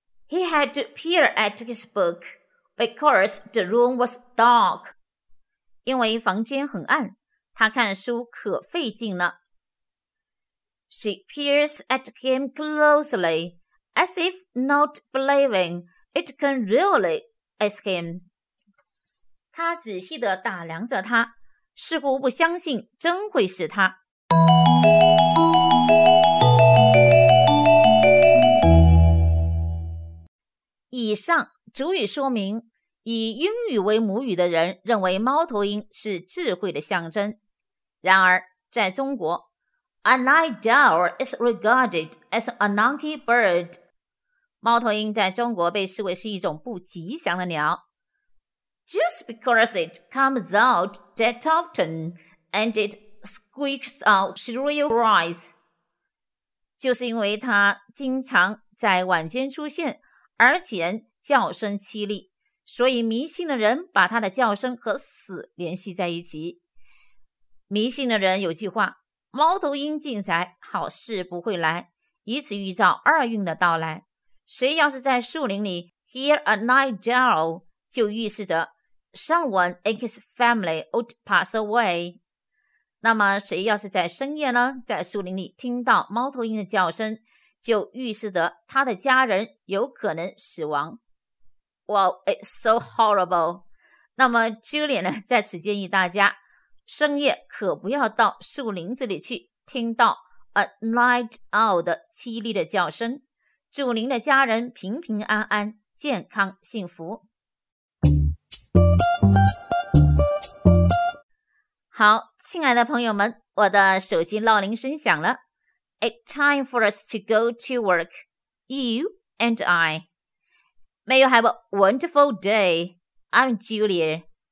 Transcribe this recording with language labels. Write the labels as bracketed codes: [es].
[en] He had to peer at his book because the room was dark， [zh] 因为房间很暗，他看书可费劲了。 [en] She peers at him closely as if not believing it can really is him， [zh] 他仔细地打量着他，似乎不相信真会是他。以上足以说明，以英语为母语的人认为猫头鹰是智慧的象征。然而，在中国 [en] ，A night owl is regarded as a unlucky bird。 [zh] 猫头鹰在中国被视为是一种不吉祥的鸟。 [en] Just because it comes out that often and it squeaks out shrill cries. [zh] 就是因为它经常在晚间出现，而且叫声凄厉，所以迷信的人把它的叫声和死联系在一起。迷信的人有句话，猫头鹰进宅，好事不会来，以此预兆二运的到来。谁要是在树林里 [en] hear a night owl, [zh] 就预示着 [en] Someone in his family would pass away. [zh] 那么谁要是在深夜呢，在树林里听到猫头鹰的叫声，就预示得他的家人有可能死亡。 [en] Wow, it's so horrible. [zh] 那么 Julia 呢，在此建议大家，深夜可不要到树林子里去听到 [en] a night owl [zh] 的凄厉的叫声，祝您的家人平平安安，健康幸福。好，亲爱的朋友们，我的手机闹铃声响了。 [en] It's time for us to go to work, you and I. May you have a wonderful day. I'm Julia.